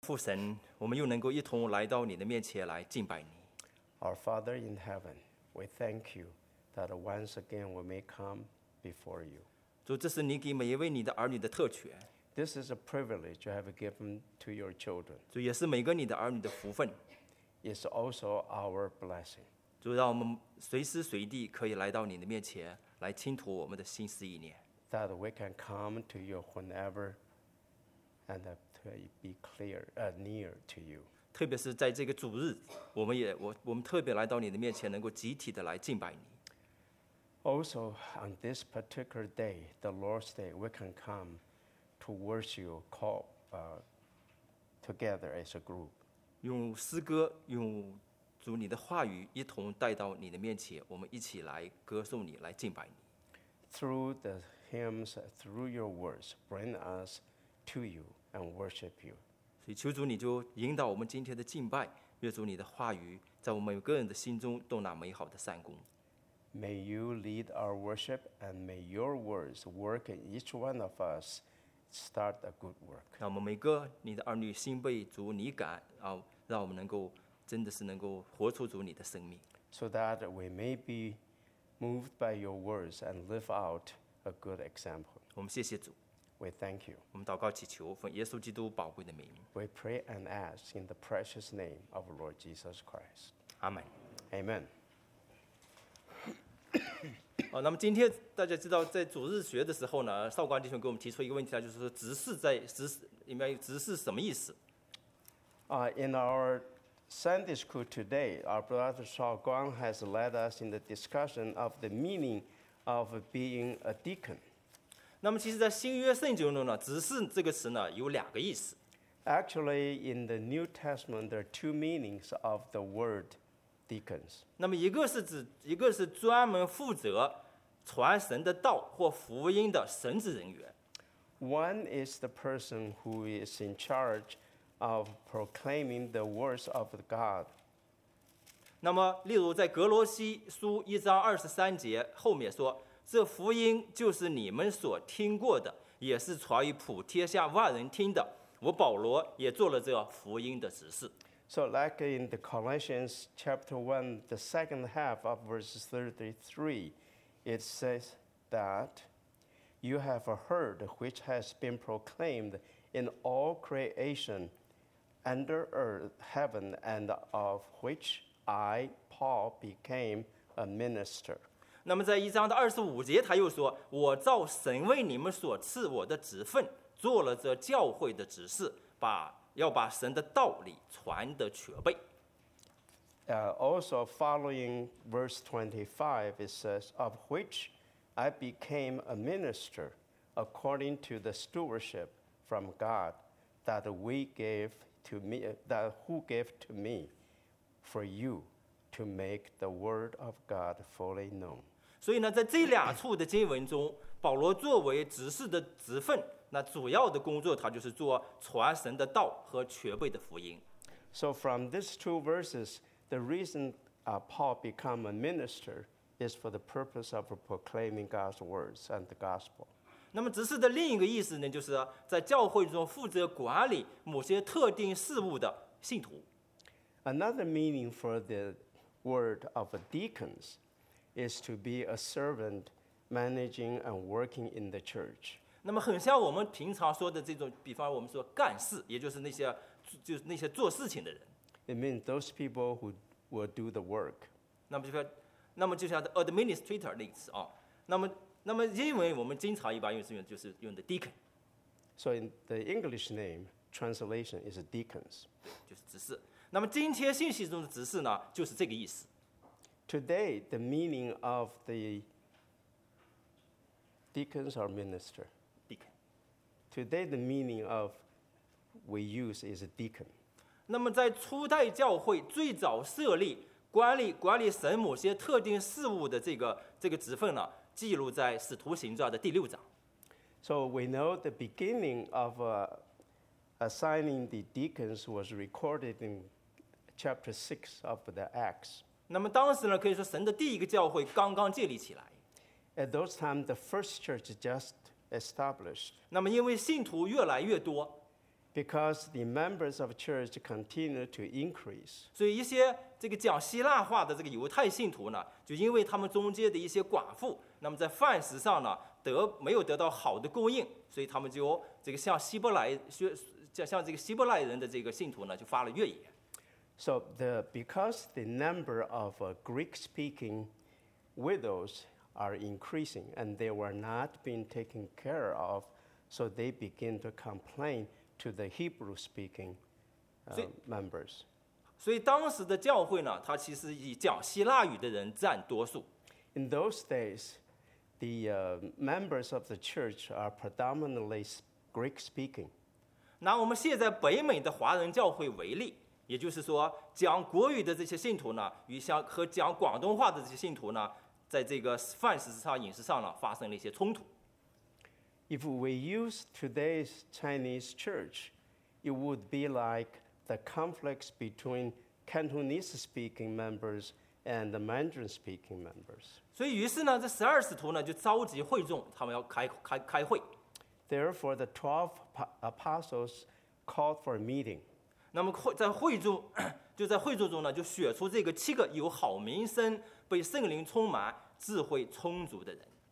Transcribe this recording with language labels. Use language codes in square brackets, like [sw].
[zh] 父神，我们又能够一同来到你的面前来敬拜你。 [en] Our Father in heaven, we thank you that once again we may come before you. [zh] 主，这是你给每一位你的儿女的特权。 [en] This is a privilege you have given to your children. [zh] 主，也是每个你的儿女的福分。 [en] It's also our blessing. [zh] 主，让我们随时随地可以来到你的面前来倾吐我们的心思意念。 [en] That we can come to you whenever and to be clear, near to you. [zh] 特别是在这个主日，我们特别来到你的面前，能够集体的来敬拜你。 [en] Also, on this particular day, the Lord's Day, we can come to worship you, together as a group. [zh] 用诗歌，用主你的话语，一同带到你的面前，我们一起来歌颂你，来敬拜你。 [en] Through the hymns, through your words, bring us to you and worship you. [zh] 所以求主你就引导我们今天的敬拜，愿主你的话语在我们每个人的心中动那美好的善功。 [en] May you lead our worship and may your words work in each one of us, start a good work. [zh] 让我们每个你的儿女心被主你感，让我们能够真的是能够活出主你的生命。 [en] So that we may be moved by your words and live out a good example. [zh] 我们谢谢主。 [en] We thank you. [zh] 我们祷告祈求，奉耶稣基督宝贵的名。 [en] We pray and ask in the precious name of Lord Jesus Christ. Amen. Amen. [zh] 那么今天大家知道，在主日学的时候呢，少光弟兄给我们提出一个问题，就是说执事什么意思？ [en] In our Sunday school today, our brother Shao Guang has led us in the discussion of the meaning of being a deacon. [zh] 那么其实在新约圣经中呢，执事这个词呢有两个意思。 [en] Actually, in the New Testament, there are two meanings of the word deacons. [zh] 那么一个是专门负责传神的道或福音的神职人员。 [en] One is the person who is in charge of proclaiming the words of God. [zh] 那么例如在格罗西书一章二十三节后面说，这福音就是你们所听过的，也是传于普天下万人听的。我保罗也做了这福音的执事。 [en] So like in the Colossians chapter 1, the second half of verse 33, it says that you have heard which has been proclaimed in all creation under earth, heaven, and of which I, Paul, became a minister. [zh] 那么在一章的二十五节他又说，我照神为你们所赐我的职分做了这教会的执事，要把神的道理传得全备。 [en] Also following verse 25 it says, of which I became a minister according to the stewardship from God that we gave to me, that who gave to me for you to make the word of God fully known. [zh] 所以呢，在这两处的经文中，保罗作为执事的职分，那主要的工作他就是做传神的道和全备的福音。 [en] So from these two verses, the reason Paul became a minister is for the purpose of proclaiming God's words and the gospel. [zh] 那么执事的另一个意思呢，就是在教会中负责管理某些特定事务的信徒。 [en] Another meaning for the word of deacons. Is to be a servant, managing and working in the church. [zh] 那么很像我们平常说的这种，比方我们说干事，也就是那些做事情的人。 [en] It means those people who will do the work. [zh] 那么就像 administrator 那个词啊。那么英文我们经常一般用就是用的 deacon. [en] So in the English name translation is deacons. [zh] 就是执事。那么今天信息中的执事呢，就是这个意思。 [en] Today, the meaning of the deacons or minister. Deacon. Today, the meaning of we use is a deacon. [zh] 那么在初代教会最早设立管理神某些特定事务的这个职分呢，记录在使徒行传的第六章。 [en] So we know the beginning of assigning the deacons was recorded in chapter 6 of the Acts. [zh] 那么当时呢，可以说神的第一个教会刚刚建立起来。 [en] At those times, the first church just established. [zh] 那么因为信徒越来越多 [en] Because the members of church continue to increase. [zh] 所以一些这个讲希腊话的这个犹太信徒呢，就因为他们中间的一些寡妇，那么在饭食上呢没有得到好的供应，所以他们就这个向这个希伯来人的这个信徒呢就发了怨言。 [en] So because the number of Greek-speaking widows are increasing and they were not being taken care of, so they begin to complain to the Hebrew-speaking members. [zh] 所以当时的教会呢，它其实以讲希腊语的人占多数。 [en] In those days, the members of the church are predominantly Greek-speaking. [zh] 拿我们现在北美的华人教会为例。也就是说讲国语的这些信徒呢与像和讲广东话的这些信徒呢在这个饭食上饮食上呢发生了一些冲突。 [en] If we use today's Chinese church, it would be like the conflicts between Cantonese speaking members and the Mandarin speaking members. [zh] 所以于是呢这十二使徒呢就召集会众他们要开会。 [en] Therefore, the 12 apostles called for a meeting. [zh] 那么在会众中呢，就选出这个七个有好名声、被圣灵充满、智慧充足的人。